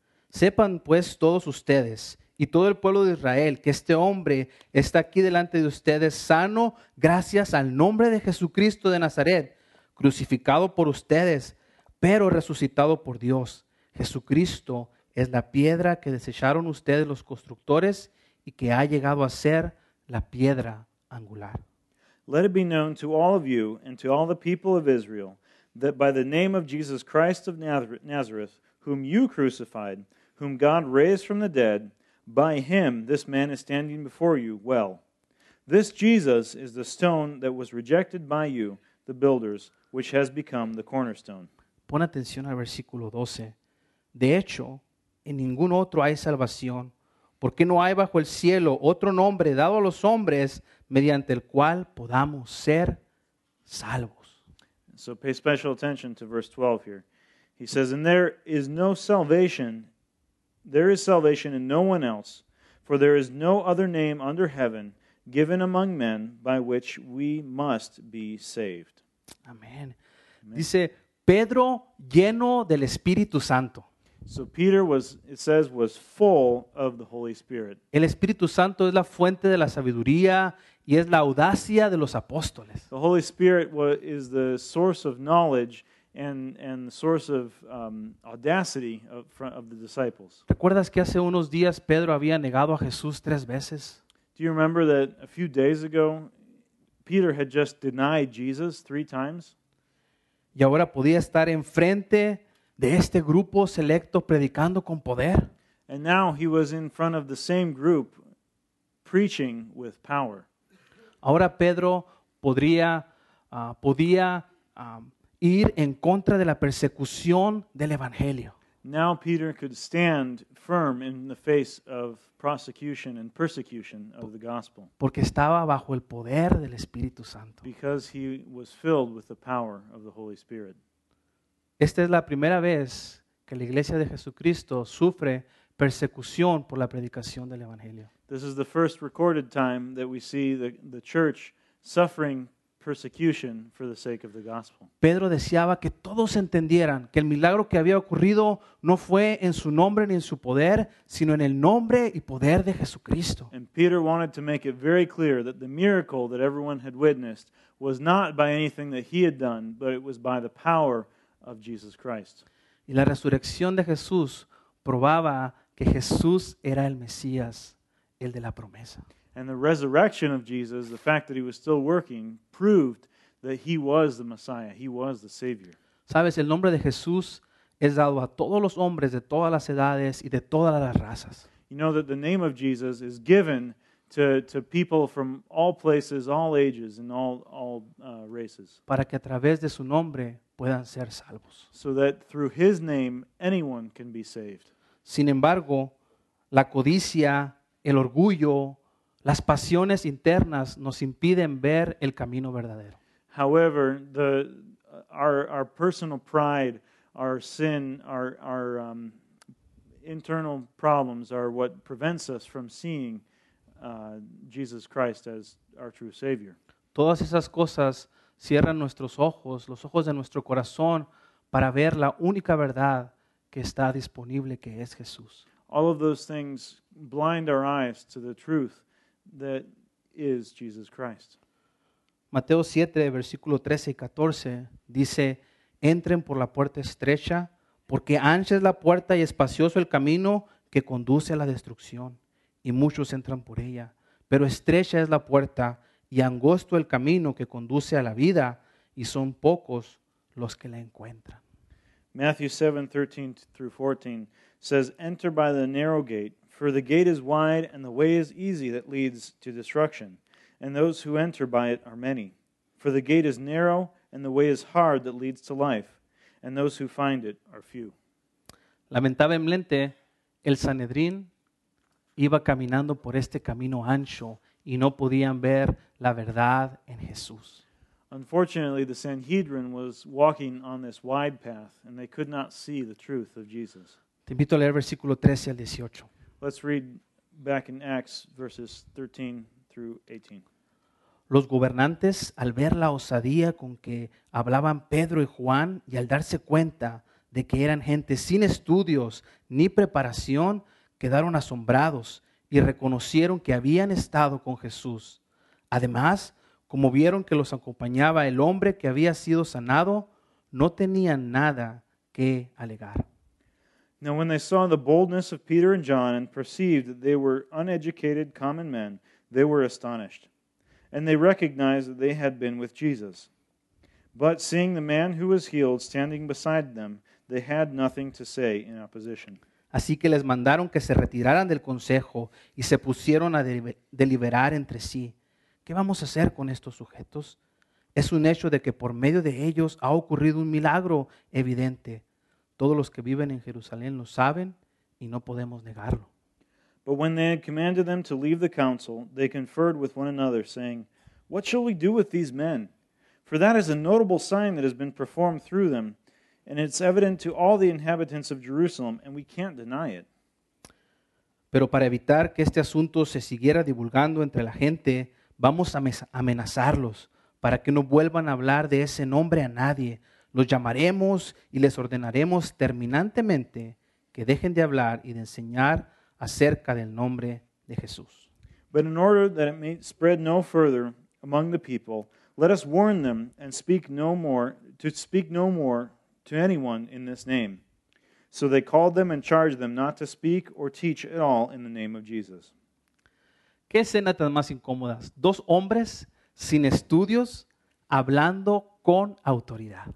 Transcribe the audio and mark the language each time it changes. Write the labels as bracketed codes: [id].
[es] sepan pues todos ustedes y todo el pueblo de Israel que este hombre está aquí delante de ustedes sano gracias al nombre de Jesucristo de Nazaret, crucificado por ustedes, pero resucitado por Dios. Jesucristo es la piedra que desecharon ustedes los constructores y que ha llegado a ser la piedra angular." [en] Let it be known to all of you and to all the people of Israel that by the name of Jesus Christ of Nazareth, whom you crucified, whom God raised from the dead, by him this man is standing before you well. This Jesus is the stone that was rejected by you, the builders, which has become the cornerstone. [es] Pon atención al versículo 12. De hecho, en ningún otro hay salvación, porque no hay bajo el cielo otro nombre dado a los hombres mediante el cual podamos ser salvos. [en] So pay special attention to verse 12 here. He says, and there is no salvation, there is salvation in no one else, for there is no other name under heaven given among men by which we must be saved. [es] Amen. Amen. Dice, Pedro lleno del Espíritu Santo. [en] So Peter was, it says, was full of the Holy Spirit. [es] El Espíritu Santo es la fuente de la sabiduría y es la audacia de los apóstoles. [en] The Holy Spirit is the source of knowledge and the source of audacity of the disciples. [es] ¿Recuerdas que hace unos días Pedro había negado a Jesús tres veces? [en] Do you remember that a few days ago Peter had just denied Jesus three times? [es] Y ahora podía estar enfrente de este grupo selecto predicando con poder. [en] And now he was in front of the same group preaching with power. [es] Ahora Pedro podía ir en contra de la persecución del evangelio. [en] Now Peter could stand firm in the face of prosecution and persecution of the gospel. [es] Porque estaba bajo el poder del Espíritu Santo. [en] Because he was filled with the power of the Holy Spirit. [es] Esta es la primera vez que la iglesia de Jesucristo sufre persecución por la predicación del evangelio. [en] This is the first recorded time that we see the church suffering persecution for the sake of the gospel. [es] Pedro deseaba que todos entendieran que el milagro que había ocurrido no fue en su nombre ni en su poder, sino en el nombre y poder de Jesucristo. [en] And Peter wanted to make it very clear that the miracle that everyone had witnessed was not by anything that he had done, but it was by the power of Jesus Christ. [es] Y la resurrección de Jesús probaba que Jesús era el Mesías, el de la promesa. [en] And the resurrection of Jesus, the fact that he was still working, proved that he was the Messiah, he was the Savior. [es] Sabes, el nombre de Jesús es dado a todos los hombres de todas las edades y de todas las razas. [en] You know that the name of Jesus is given to people from all places, all ages, and all races. [es] Para que a través de su nombre puedan ser salvos. [en] So that through his name, anyone can be saved. [es] Sin embargo, la codicia, el orgullo, las pasiones internas nos impiden ver el camino verdadero. [en] However, our personal pride, our sin, our internal problems are what prevents us from seeing Jesus Christ as our true Savior. [es] Todas esas cosas cierran nuestros ojos, los ojos de nuestro corazón, para ver la única verdad que está disponible, que es Jesús. [en] All of those things blind our eyes to the truth that is Jesus Christ. [es] Mateo 7, versículo 13 y 14, dice, entren por la puerta estrecha, porque ancha es la puerta y espacioso el camino que conduce a la destrucción, y muchos entran por ella. Pero estrecha es la puerta y angosto el camino que conduce a la vida, y son pocos los que la encuentran. [en] Matthew 7, 13 through 14 says, enter by the narrow gate, for the gate is wide and the way is easy that leads to destruction, and those who enter by it are many. For the gate is narrow and the way is hard that leads to life, and those who find it are few. [es] Lamentablemente, el Sanedrín iba caminando por este camino ancho y no podían ver la verdad en Jesús. [en] Unfortunately, the Sanhedrin was walking on this wide path and they could not see the truth of Jesus. [es] Te invito a leer versículo 13 al 18. [en] Let's read back in Acts verses 13 through 18. [es] Los gobernantes, al ver la osadía con que hablaban Pedro y Juan, y al darse cuenta de que eran gente sin estudios ni preparación, quedaron asombrados y reconocieron que habían estado con Jesús. Además, como vieron que los acompañaba el hombre que había sido sanado, no tenían nada que alegar. [en] Now when they saw the boldness of Peter and John and perceived that they were uneducated common men, they were astonished, and they recognized that they had been with Jesus. But seeing the man who was healed standing beside them, they had nothing to say in opposition. [es] Así que les mandaron que se retiraran del consejo y se pusieron a deliberar entre sí. ¿qué vamos a hacer con estos sujetos? Es un hecho de que por medio de ellos ha ocurrido un milagro evidente. Todos los que viven en Jerusalén lo saben y no podemos negarlo. [en] But when they had commanded them to leave the council, they conferred with one another, saying, "What shall we do with these men? For that is a notable sign that has been performed through them, and it's evident to all the inhabitants of Jerusalem, and we can't deny it." [es] Pero para evitar que este asunto se siguiera divulgando entre la gente, vamos a amenazarlos para que no vuelvan a hablar de ese nombre a nadie. Los llamaremos y les ordenaremos terminantemente que dejen de hablar y de enseñar acerca del nombre de Jesús. [en] But in order that it may spread no further among the people, let us warn them and speak no more to anyone in this name. So they called them and charged them not to speak or teach at all in the name of Jesus. [es] ¿Qué escena tan más incómoda? Dos hombres sin estudios hablando con autoridad.